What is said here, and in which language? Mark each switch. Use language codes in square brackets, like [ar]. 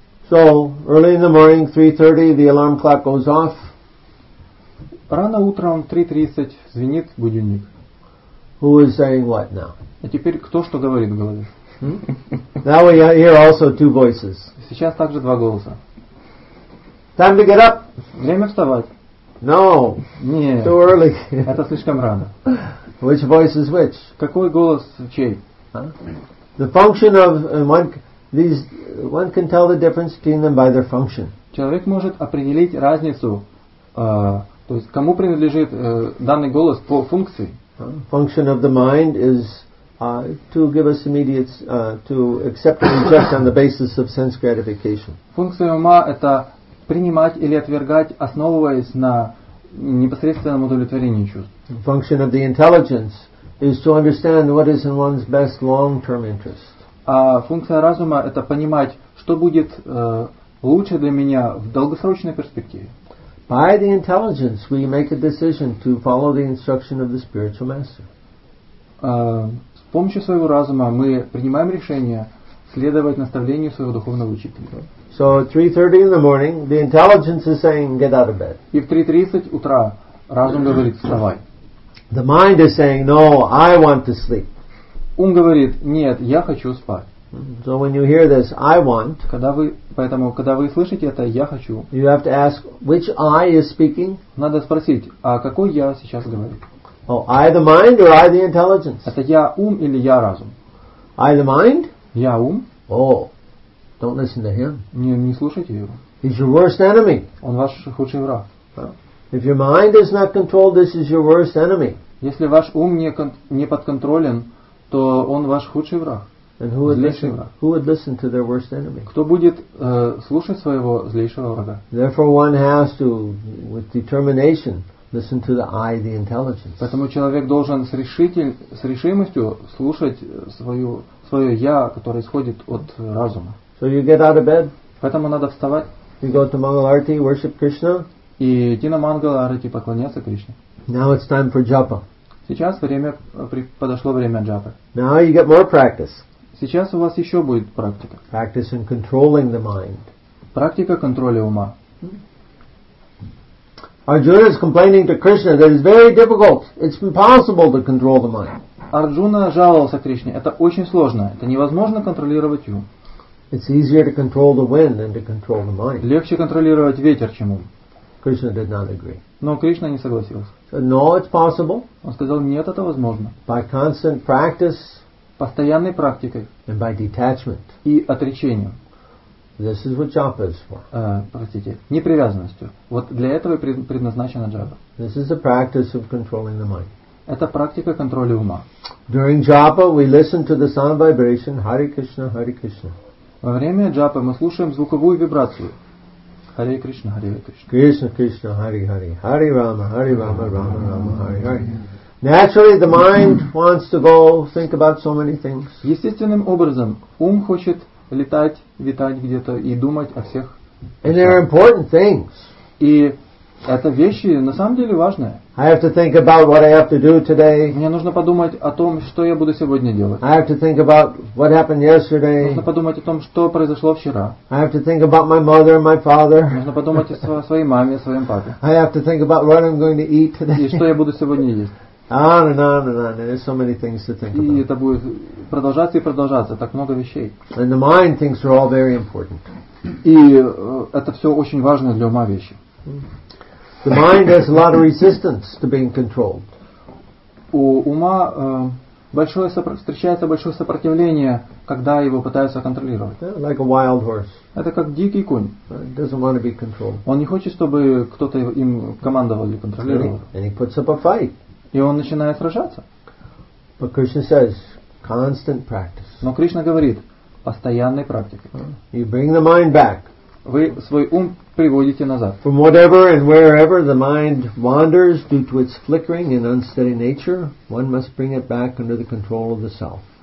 [en] So, early in the morning, 3:30, the alarm clock goes off. [ru] Рано утром, 3:30, звенит будильник. [en] Who is saying what now? [ru] А теперь кто что говорит в голове? [en] Now we hear also two voices. [ru] Сейчас также два голоса. [en] Time to get up. [ru] Время вставать. [en] No. [ru] Нет. [en] Too early. [ru] Это слишком рано. [en] Which voice is which? [ru] Какой голос чей? [en] The function of one can tell the difference between them by their function. [ru] Человек может определить разницу, то есть кому принадлежит данный голос по функции. [en] Function of the mind is to give us immediate to accept and reject on the basis of sense gratification. [ru] Функция ума это принимать или отвергать, основываясь на непосредственном удовлетворении чувств. [en] Function of the intelligence is to understand what is in one's best long-term interest. [ru] А функция разума это понимать, что будет лучше для меня в долгосрочной перспективе. [en] By the intelligence, we make a decision to follow the instruction of the spiritual master. [ru] С помощью своего разума мы принимаем решение следовать наставлению своего духовного учителя. [en] So at 3:30 in the morning, the intelligence is saying, "Get out of bed." [ru] И в 3:30 утра разум говорит, вставай. [en] The mind is saying, "No, I want to sleep." [ru] Ум говорит, нет, я хочу спать. [en] So when you hear this, I want. [ru] Когда вы слышите это, я хочу. [en] You have to ask which I is speaking. [ru] Надо спросить, а какой я сейчас говорю? [en] Oh, I the mind or I the intelligence? [ru] Это я ум или я разум? [en] I the mind? [ru] Я ум? [en] Oh, don't listen to him. [ru] Не слушайте его. [en] He's your worst enemy. [ru] Он ваш худший враг. [en] If your mind is not controlled, this is your worst enemy. [ru] Если ваш ум не подконтролен, то он ваш худший враг. [en] And who would listen to their worst enemy? [ru] Кто будет слушать своего злейшего врага? [en] Therefore, one has to, with determination, listen to the I, the intelligence. [ru] Поэтому человек должен с решимостью слушать свое я, которое исходит от разума. [en] So you get out of bed. [ru] Поэтому надо вставать. [en] You go to Mangal Arati, worship Krishna. [ru] И идти на Mangal Arati, поклоняться Кришне. [en] Now it's time for japa. [ru] Сейчас время подошло время джапы. [en] Now you get more practice. [ru] Сейчас у вас еще будет практика. [en] Practice in controlling the mind. [ru] Практика контроля ума. [en] Arjuna is complaining to Krishna that it's very difficult. It's impossible to control the mind. [ru] Arjuna жаловался Кришне. Это очень сложно. Это невозможно контролировать ум. [en] It's easier to control the wind than to control the mind. [ru] Легче контролировать ветер, чем ум. [en] Krishna did not agree. [ru] Но Кришна не согласился. [en] No, it's possible. [ru] Он сказал, нет, это возможно. [en] By constant practice. [ru] Постоянной практикой. [en] And by detachment. [ru] И отречением. [en] This is what japa is for. [ru] Простите, непривязанностью. Вот для этого и предназначена джапа. [en] This is the practice of controlling the mind. [ru] Это практика контроля ума. [en] During japa, we listen to the sound vibration, Hare Krishna, Hare Krishna. [ru] Во время джапы мы слушаем звуковую вибрацию. [sa] Hare Krishna, Hare Krishna. Krishna, Krishna, Hare Hare. Hare Rama, Hare Rama, Rama Rama, Hare Hare. [en] Naturally, the mind wants to go think about so many things. [ru] Естественным образом, ум хочет летать, витать где-то и думать о всех. [en] And they're important things. [ru] И это вещи на самом деле важные. [en] I have to think about what I have to do today. [ru] Мне нужно подумать о том, что я буду сегодня делать. [en] I have to think about what happened yesterday. [ru] Нужно подумать о том, что произошло вчера. [en] I have to think about my mother and my father. [ru] Нужно подумать о своей маме, о своем папе. [en] I have to think about what I'm going to eat today. [ru] И что я буду сегодня есть. [en] on and on and on. There's so many things to think about. [ru] И это будет продолжаться и продолжаться. Так много вещей. [en] And the mind thinks they're all very important. [ru] И это все очень важно для ума вещи. [en] The mind has a lot of resistance to being controlled. [ru] У ума большое встречается большое сопротивление, когда его пытаются контролировать. [en] Yeah, like a wild horse. [ru] Это как дикий конь. [en] He doesn't want to be controlled. [ru] Он не хочет, чтобы кто-то им командовал или контролировал. [en] And he puts up a fight. [ru] И он начинает сражаться. [en] But Krishna says, constant practice. [ru] Но Кришна говорит, постоянной практике. [en] You bring the mind back. [ru] Вы свой ум приводите назад. [en] From whatever and wherever the mind wanders due to its flickering and unsteady nature, one must bring it back under the control of the self.